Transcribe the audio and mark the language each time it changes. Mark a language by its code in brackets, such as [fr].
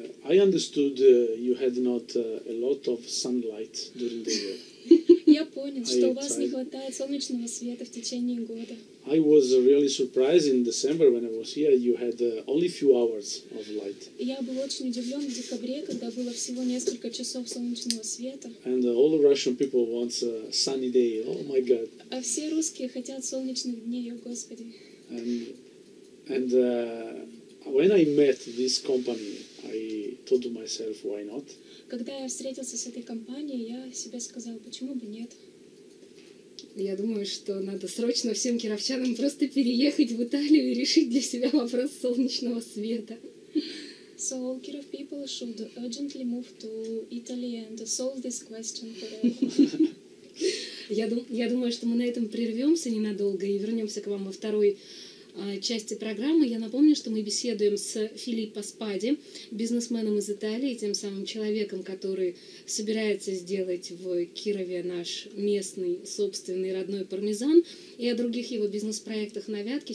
[en] I understood you had not a lot of sunlight during the year. [ru] Я понял, что у вас не хватает солнечного света в течение года. [en] I was really surprised in December when I was here. You had only few hours of light. [ru] Я был очень удивлен в декабре, когда было всего несколько часов солнечного света. [en] And all the Russian people want a sunny day. Oh my God. [ru] А все русские хотят солнечных дней, о господи. [en] And when I met this company, I told myself, why not? [ru] Когда я встретился с этой компанией, я себе сказал, почему бы нет. Я думаю, что надо срочно всем кировчанам просто переехать в Италию и решить для себя вопрос солнечного света. [en] So all Kirov people should urgently move to Italy and solve this question for [ru] Я думаю, что мы на этом прервемся ненадолго и вернемся к вам во второй части программы. Я напомню, что мы беседуем с Филиппо Спади, бизнесменом из Италии, тем самым человеком, который собирается сделать в Кирове наш местный собственный родной пармезан, и о других его бизнес-проектах на Вятке.